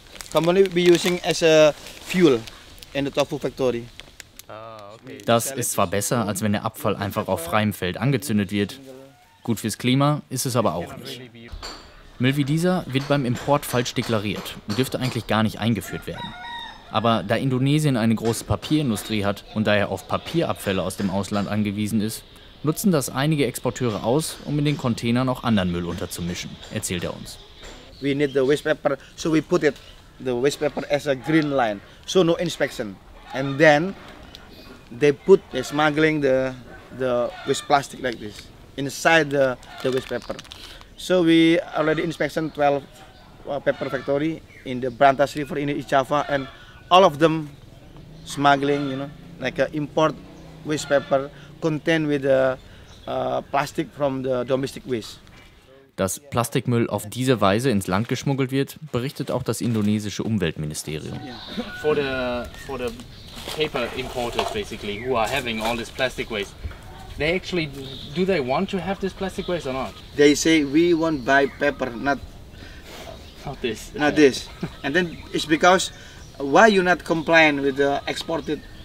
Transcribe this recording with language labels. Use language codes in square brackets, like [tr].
[en] Commonly we using as a fuel in the tofu factory. [de] Das ist zwar besser, als wenn der Abfall einfach auf freiem Feld angezündet wird. Gut fürs Klima ist es aber auch nicht. Müll wie dieser wird beim Import falsch deklariert und dürfte eigentlich gar nicht eingeführt werden. Aber da Indonesien eine große Papierindustrie hat und daher auf Papierabfälle aus dem Ausland angewiesen ist, nutzen das einige Exporteure aus, um in den Containern auch anderen Müll unterzumischen, erzählt er uns. [en] We need the waste paper, so we put it the waste paper as a green line, so no inspection. And then they put the smuggling the waste plastic like this inside the waste paper. So we already inspection 12 paper factory in the Brantas River in East Java, and all of them smuggling, you know, like a import waste paper contained with the plastic from the domestic waste. [de] Dass Plastikmüll auf diese Weise ins Land geschmuggelt wird, berichtet auch das indonesische Umweltministerium. [en] For the paper importers basically who are having all this plastic waste, they actually do they want to have this plastic waste or not? They say we want buy paper, not this. Not this. And then it's because why you not complain with the exported?